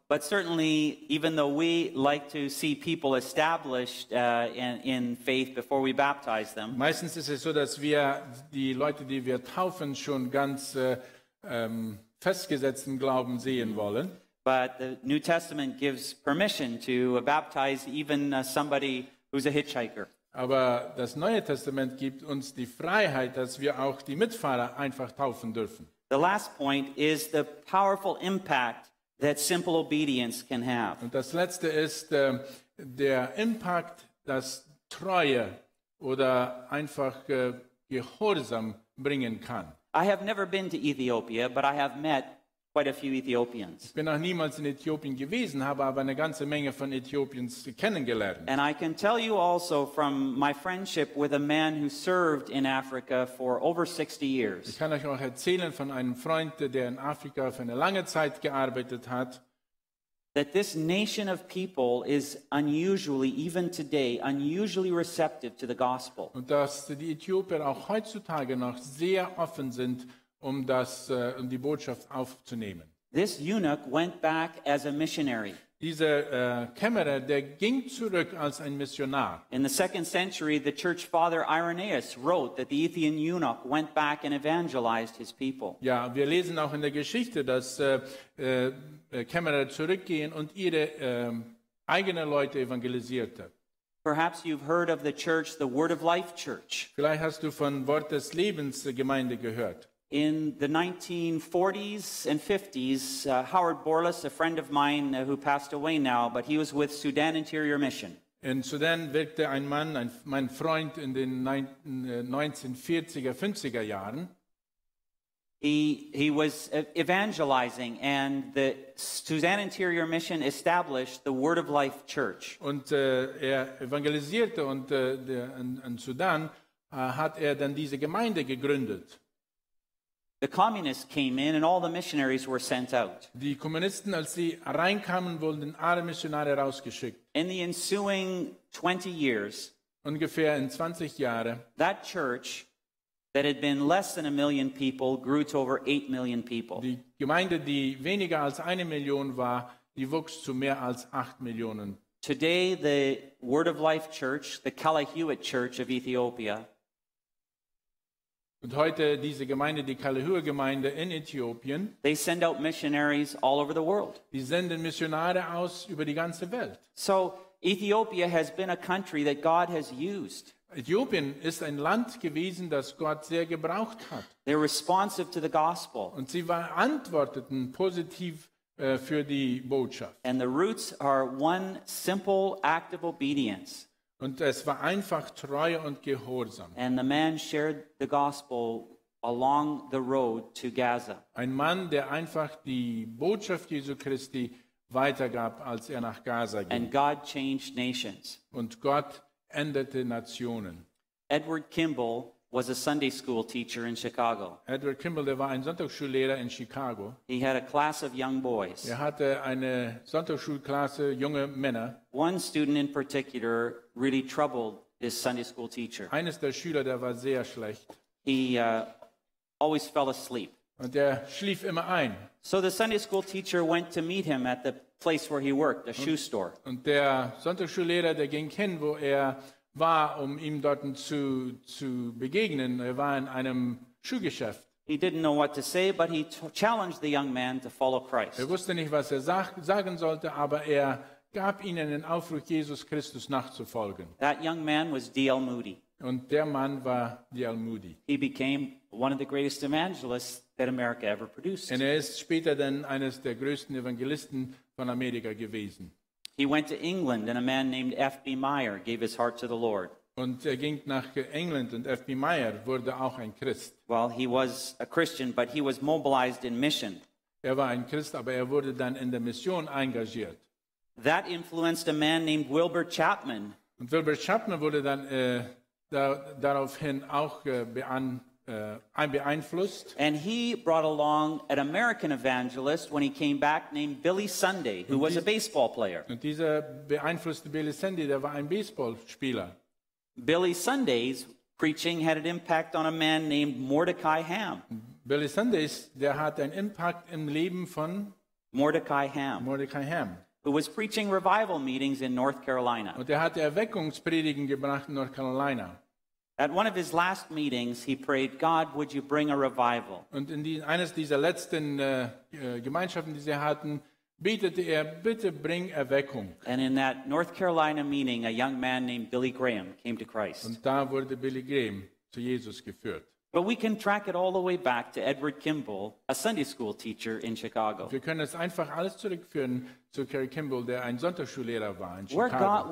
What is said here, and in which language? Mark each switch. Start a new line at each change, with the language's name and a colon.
English: But certainly, even though we like to see people established in faith before we baptize them.
German: Meistens ist es so, dass wir die Leute, die wir taufen, schon ganz festgesetzten Glauben sehen wollen.
English: But the New Testament gives permission to baptize even somebody who's a hitchhiker.
German: Aber das Neue Testament gibt uns die Freiheit, dass wir auch die Mitfahrer einfach taufen dürfen.
English: The last point is the powerful impact that simple obedience can have.
German: Und das letzte ist der Impact, dass Treue oder einfach Gehorsam bringen kann.
English: I have never been to Ethiopia, but I have met quite a few Ethiopians.
German: Ich bin noch niemals in Äthiopien gewesen, habe aber eine ganze Menge von Äthiopiens kennengelernt.
English: And I can tell you also from my friendship with a man who served in Africa for over 60 years.
German: Ich kann euch auch erzählen von einem Freund, der in Afrika für eine lange Zeit gearbeitet hat.
English: That this nation of people is unusually, even today, unusually receptive to the gospel.
German: Und dass die Äthiopier auch heutzutage noch sehr offen sind, um die Botschaft aufzunehmen.
English: This eunuch went back as a missionary.
German: Dieser Kämmerer, der ging zurück als ein Missionar.
English: In the second century, the church father Irenaeus wrote that the Ethiopian eunuch went back and evangelized his people.
German: Ja, wir lesen auch in der Geschichte, dass Kämmerer zurückgehen und ihre eigene Leute evangelisierte.
English: Perhaps you've heard of the church, the Word of Life Church.
German: Vielleicht hast du von Wort des Lebens Gemeinde gehört.
English: In the 1940s and 50s, Howard Borlas, a friend of mine who passed away now, but he was with Sudan Interior Mission.
German: In Sudan wirkte ein Mann, mein Freund, in den 1940er, 50er Jahren.
English: He was evangelizing, and the Sudan Interior Mission established the Word of Life Church.
German: Und er evangelisierte, und in Sudan hat er dann diese Gemeinde gegründet.
English: The communists came in, and all the missionaries were sent out.
German: Die Kommunisten, als sie reinkamen, wurden alle Missionare rausgeschickt.
English: In the ensuing 20 years,
German: ungefähr in 20 Jahre,
English: that church that had been less than a million people grew to over 8 million people.
German: Die Gemeinde, die weniger als 1 Million war, die wuchs zu mehr als 8 Millionen.
English: Today, the Word of Life Church, the Kalahewit Church of Ethiopia.
German: Und heute diese Gemeinde, die Kalahewit-Gemeinde in Äthiopien.
English: They send out missionaries all over the world.
German: Die senden Missionare aus über die ganze Welt.
English: So, Ethiopia has been a country that God has used.
German: Äthiopien ist ein Land gewesen, das Gott sehr gebraucht hat.
English: They're responsive to the gospel.
German: Und sie antworteten positiv für die Botschaft.
English: And the roots are one simple act of obedience.
German: Und es war einfach Treue und Gehorsam.
English: And the man shared the gospel along the road to Gaza.
German: Ein Mann, der einfach die Botschaft Jesu Christi weitergab, als er nach Gaza ging.
English: And God changed nations.
German: Und Gott änderte Nationen.
English: Edward Kimball was a Sunday school teacher in Chicago.
German: Edward Kimball, der war ein Sonntagsschullehrer in Chicago.
English: He had a class of young boys.
German: Er hatte eine Sonntagsschulklasse junge Männer.
English: One student in particular really troubled this Sunday school teacher.
German: Eines der Schüler, der war sehr schlecht.
English: He always fell asleep.
German: Und er schlief immer ein.
English: So the Sunday school teacher went to meet him at the place where he worked, a shoe store.
German: Und der Sonntagsschullehrer, der ging hin, wo er war, um ihm dort zu begegnen. Er war in einem Schuhgeschäft.
English: He didn't know what to say, but he challenged the young man to follow Christ.
German: Er wusste nicht, was er sagen sollte, aber er gab ihnen den Aufruf, Jesus Christus nachzufolgen.
English: That young man was D.L. Moody.
German: Und der Mann war D.L. Moody.
English: He became one of the greatest evangelists that America ever produced.
German: Und er ist später dann eines der größten Evangelisten von Amerika gewesen.
English: He went to England, and a man named F.B. Meyer gave his heart to the Lord.
German: Und er ging nach England, und F.B. Meyer wurde auch ein Christ.
English: Well, he was a Christian, but he was mobilized in mission.
German: Er war ein Christ, aber er wurde dann in der Mission engagiert.
English: That influenced a man named Wilbur Chapman.
German: Und Wilbur Chapman wurde dann daraufhin auch beeinflusst.
English: And he brought along an American evangelist when he came back named Billy Sunday, who was a baseball player.
German: Und dieser beeinflusste Billy Sunday, der war ein Baseballspieler.
English: Billy Sunday's preaching had an impact on a man named Mordecai Ham.
German: Billy Sunday's, der hat einen Impact im Leben von Mordecai Ham.
English: Mordecai Ham, who was preaching revival meetings in North Carolina.
German: Und er hatte Erweckungspredigen gebracht in North Carolina.
English: At one of his last meetings, he prayed, God, would you bring a revival?
German: Und in eines dieser letzten Gemeinschaften, die sie hatten, betete er, bitte bring Erweckung.
English: And in that North Carolina meeting, a young man named Billy Graham came to Christ.
German: Und da wurde Billy Graham zu Jesus geführt.
English: But we can track it all the way back to Edward Kimball, a Sunday school teacher in Chicago.
German: Wir können es einfach alles zurückführen zu Kerry Kimball, der ein Sonntagsschullehrer war in Chicago.